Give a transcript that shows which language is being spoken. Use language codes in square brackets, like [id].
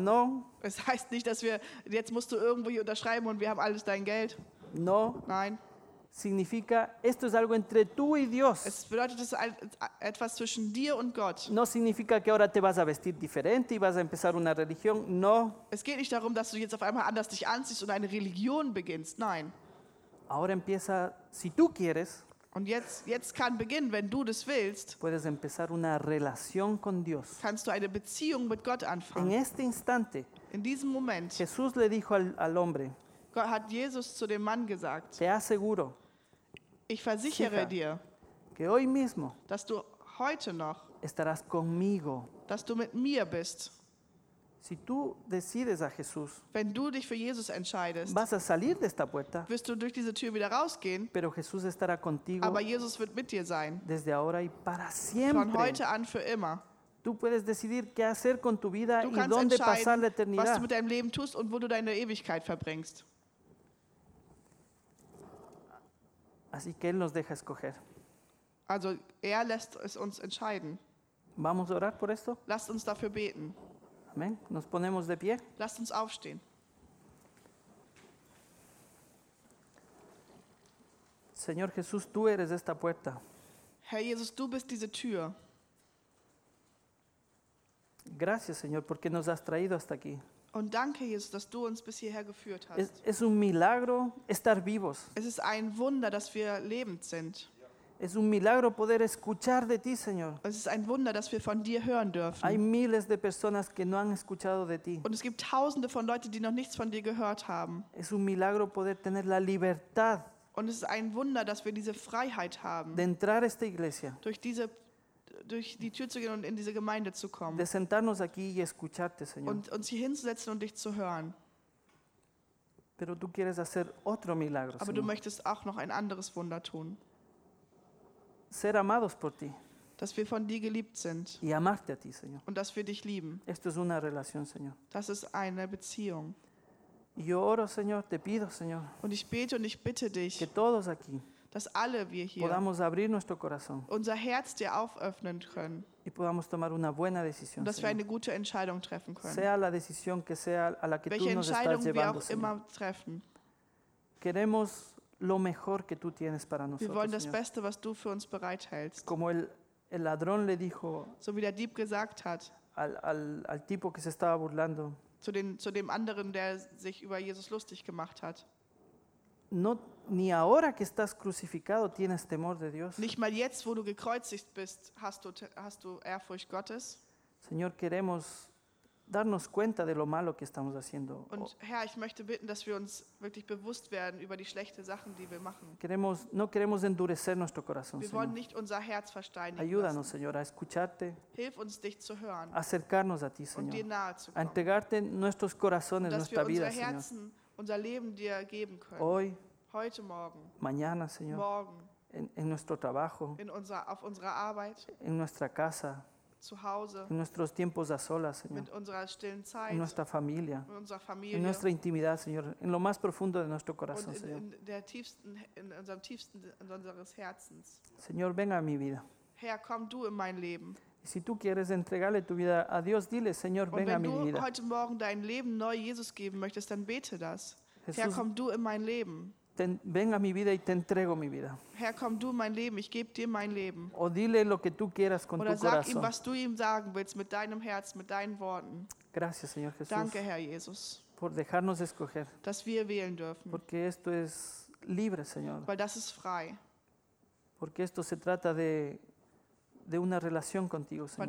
[es] No. [de] Es heißt nicht, dass wir jetzt musst du irgendwo hier unterschreiben und wir haben alles dein Geld. [es] No. [de] Nein. [es] Significa esto es algo entre tú y Dios. [de] Es bedeutet es etwas zwischen dir und Gott. [es] No significa que ahora te vas a vestir diferente y vas a empezar una religión. No. [de] Es geht nicht darum, dass du jetzt auf einmal anders dich anziehst und eine Religion beginnst. Nein. [es] Ahora empieza si tú quieres. [de] Und jetzt kann beginnen, wenn du das willst. [es] Puedes empezar una relación con Dios. [de] Kannst du eine Beziehung mit Gott anfangen. [es] En este instante. [de] In diesem Moment. [es] Jesús le dijo al hombre. [de] Gott hat Jesus zu dem Mann gesagt, [es] te aseguro, [de] ich versichere sicher, dir, [es] que hoy mismo, [de] dass du heute noch [es] estarás conmigo, [de] dass du mit mir bist. [es] Si tú decides a Jesús, [de] wenn du dich für Jesus entscheidest, [es] vas a salir de esta puerta, [de] wirst du durch diese Tür wieder rausgehen. [es] Pero Jesús estará contigo, [de] aber Jesus wird mit dir sein. [es] Desde ahora y para siempre. [de] Von heute an für immer. [es] Tú puedes decidir qué hacer con tu vida y dónde pasar la eternidad. [de] Was du mit deinem Leben tust und wo du deine Ewigkeit verbringst. [es] Así que Él nos deja escoger. [de] Also, er lässt es uns entscheiden. [es] Vamos a orar por esto. [de] Lasst uns dafür beten. [es] Amen. Nos ponemos de pie. [de] Lasst uns aufstehen. [es] Señor Jesús, tú eres esta puerta. [de] Herr Jesus, du bist diese Tür. [es] Gracias, Señor, porque nos has traído hasta aquí. [de] Und danke, Jesus, dass du uns bis hierher geführt hast. [es] Es un milagro estar vivos. [de] Es ist ein Wunder, dass wir lebend sind. [es] Es un milagro poder escuchar de ti, Señor. [de] Es ist ein Wunder, dass wir von dir hören dürfen. [es] Hay miles de personas que no han escuchado de ti. [de] Und es gibt tausende von Leuten, die noch nichts von dir gehört haben. [es] Es un milagro poder tener la libertad. [de] Und es ist ein Wunder, dass wir diese Freiheit haben. [es] De entrar a esta iglesia. [de] Durch die Tür zu gehen und in diese Gemeinde zu kommen. [es] De sentarnos aquí y escucharte, Señor. [de] Und uns hier hinzusetzen und dich zu hören. [es] Pero tú quieres hacer otro milagro, [de] Aber [es] Señor. [de] Du möchtest auch noch ein anderes Wunder tun. [es] Ser amados por ti. [de] Dass wir von dir geliebt sind. [es] Y amarte a ti, Señor. [de] Und dass wir dich lieben. [es] Esto es una relación, Señor. [de] Das ist eine Beziehung. [es] Yo oro, Señor, te pido, Señor, [de] und ich bete und ich bitte dich, [es] que todos aquí, [de] dass alle wir hier [es] podamos abrir nuestro corazón, [de] unser Herz dir auföffnen können [es] y podamos tomar una buena decisión, [de] und dass [es] Señor. [de] Wir eine gute Entscheidung treffen können. [es] Sea la decisión que sea a la que [de] Welche [es] tú nos [de] Entscheidung [es] estás [de] wir [es] llevando, [de] auch [es] Señor. [de] Immer treffen. [es] Queremos lo mejor que tú tienes para nosotros, [de] wir wollen das [es] Señor. [de] Beste, was du für uns bereithältst. [es] Como el ladrón le dijo, [de] so wie der Dieb gesagt hat, [es] al tipo que se estaba burlando, [de] zu dem anderen, der sich über Jesus lustig gemacht hat. [es] No, ni ahora que estás crucificado tienes temor de Dios. [de] Nicht mal jetzt, wo du gekreuzigt bist, hast du Ehrfurcht Gottes. [es] Señor, queremos darnos cuenta de lo malo que estamos haciendo. [de] Und Herr, ich möchte bitten, dass wir uns wirklich bewusst werden über die schlechten Sachen, die wir machen. [es] No queremos endurecer nuestro corazón. [de] Wir wollen nicht unser Herz versteinigen. [es] Ayúdanos, Señor, a escucharte. [de] Hilf uns, dich zu hören. [es] Acercarnos a ti, Señor. [de] Und dir nahe zu kommen. [es] A entregarte nuestros corazones, nuestra vida, Señor. [de] Dass wir unser Herzen, unser Leben dir geben können. [es] Hoy, [de] heute Morgen. [es] Mañana, Señor. [de] Morgen. [es] En nuestro trabajo. [de] Auf unserer Arbeit. [es] En nuestra casa. [de] Zu Hause, [es] en nuestros tiempos a solas, Señor. [de] Mit unserer stillen Zeit, [es] en nuestra familia, [de] mit unserer Familie, [es] en nuestra intimidad, Señor. En lo más profundo de nuestro corazón, [de] und [es] Señor. [de] In unserem tiefsten, in unseres Herzens. [es] Señor, venga a mi vida. [de] Herr, komm du in mein Leben. [es] Y si tú quieres entregarle tu vida a Dios, dile, Señor, venga a mi vida. [de] Und wenn du heute Morgen dein Leben neu Jesus geben möchtest, dann bete das. Jesús, Herr, komm du in mein Leben. [es] Venga a mi vida y te entrego mi vida. [de] Herr, komm du in mein Leben, ich gebe dir mein Leben. [es] O dile lo que tú quieras con [de] Oder [es] tu [de] sag [es] corazón. [de] Ihm, was du ihm sagen willst, mit deinem Herz, mit deinen Worten. [es] Gracias, Señor Jesús. [de] Danke, Herr Jesus. [es] Por dejarnos escoger. [de] Dass wir wählen dürfen. [es] Porque esto es libre, Señor. [de] Weil das ist frei. [es] Porque esto se trata de una relación contigo, Señor.